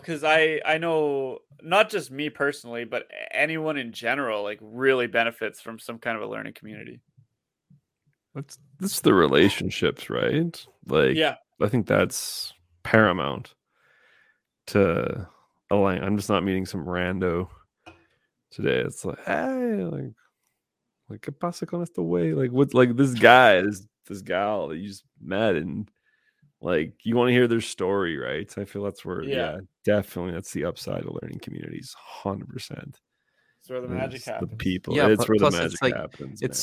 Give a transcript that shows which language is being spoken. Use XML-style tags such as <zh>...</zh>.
<en>Cause I know not just me personally, but anyone in general, like really benefits from some kind of a learning community. That's the relationships, right? Like, yeah, I think that's paramount to align. I'm just not meeting some rando today. It's like, hey, like</en> <es>¿qué pasa con este güey?</es> <en>Like, what, like this guy is this gal that you just met, and like you want to hear their story, right? So I feel that's where, yeah, definitely that's the upside of learning communities, 100%. It's where the magic happens. The people, yeah, it's where the magic happens.</en>